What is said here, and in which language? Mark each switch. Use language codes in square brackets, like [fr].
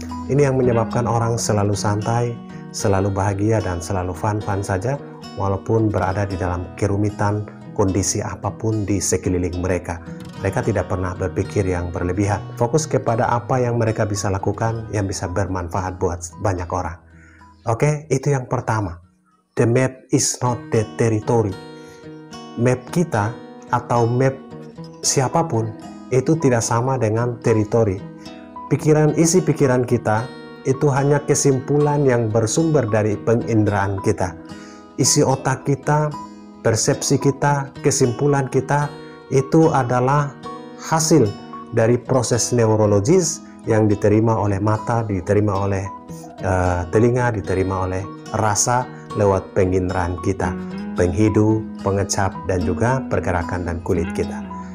[id] Ini yang menyebabkan orang selalu santai, selalu bahagia, dan selalu fun-fun saja walaupun berada di dalam kerumitan kondisi apapun di sekeliling mereka. Mereka tidak pernah berpikir yang berlebihan. Fokus kepada apa yang mereka bisa lakukan yang bisa bermanfaat buat banyak orang. Oke, itu yang pertama. [en] The map is not the territory. [id] Map kita atau map siapapun itu tidak sama dengan teritori. Pikiran, isi pikiran kita itu hanya kesimpulan yang bersumber dari penginderaan kita. Isi otak kita, persepsi kita, kesimpulan kita itu adalah hasil dari proses neurologis yang diterima oleh mata, diterima oleh telinga, diterima oleh rasa lewat penginderaan kita, penghidu, pengecap, dan juga pergerakan dan kulit kita.